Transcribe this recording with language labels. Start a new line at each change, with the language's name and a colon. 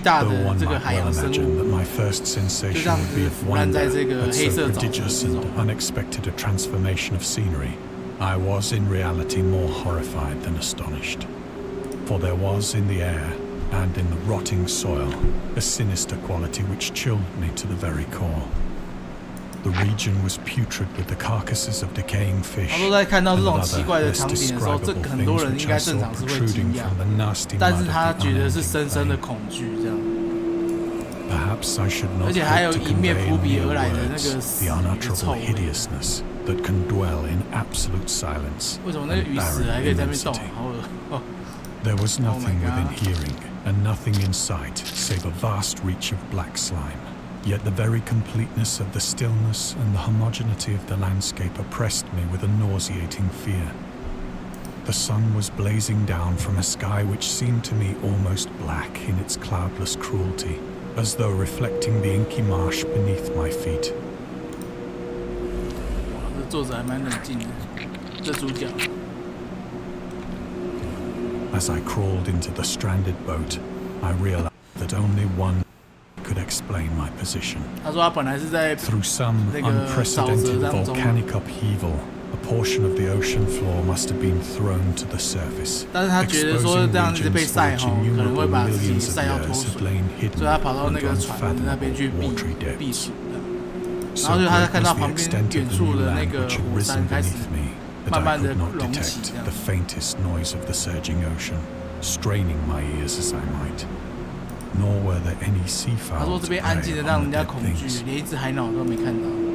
English: Though one might well imagine that my first sensation would be of wonder at so prodigious and unexpected a transformation of scenery, I was in reality more horrified than astonished. For there was in the air and in the rotting soil, a sinister quality which chilled me to the very core. The region was putrid with the carcasses of decaying fish.
Chinese: 他都在看到这种奇怪的场景的时候，这很多人应该正常是会惊讶，但是他觉得是深深的恐惧这样。
English: Perhaps I should not hope to convey in mere words the unutterable hideousness that can dwell in absolute silence and barren immensity. There was nothing within hearing and nothing in sight save a vast reach of black slime. Yet the very completeness of the stillness and the homogeneity of the landscape oppressed me with a nauseating fear. The sun was blazing down from a sky which seemed to me almost black in its cloudless cruelty. As though reflecting the inky marsh beneath my feet.
Chinese: 哇，这作者还蛮冷静的，这主角。
English: As I crawled into the stranded boat, I realized that only one could explain my position.
Chinese: 他说他本来是在
English: through some unprecedented volcanic upheaval, a portion of the ocean floor must have been thrown to the surface.
Chinese: 但是他觉得说这样子被晒哈，可能会把自己晒到脱水。所以他跑到那个船的那边去避暑的，然后就他看到旁边远处的那个湖山开始慢慢的隆起，这样。
English: The noise of the surging ocean, straining my ears as I might. Nor were there any sea fowl.
Chinese: 他说这边安静的让人家恐惧，连一只海鸟都没看到。